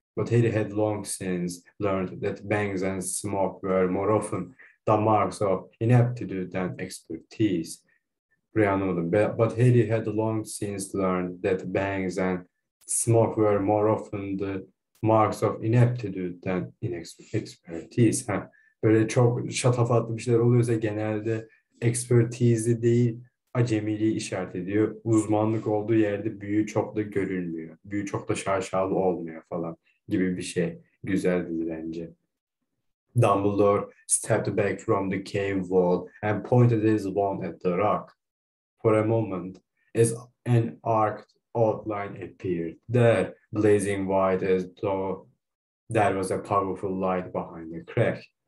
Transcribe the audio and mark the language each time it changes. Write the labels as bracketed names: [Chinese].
[English] But Harry had long since learned that bangs and smoke were more often the marks of ineptitude than expertise. But Harry had long since learned that bangs and smoke were more often the marks of ineptitude than expertise. Ha. [Turkish] Böyle çok şatafatlı bir şeyler oluyorsa genelde expertise değil, acemiliği işaret ediyor. Uzmanlık olduğu yerde büyü çok da görülmüyor. Büyü çok da şaşalı olmuyor falan gibi bir şey. Güzeldi bence. [English] Dumbledore stepped back from the cave wall and pointed his wand at the rock. For a moment, as an arced outline appeared there, blazing white as though there was a powerful light behind the crack.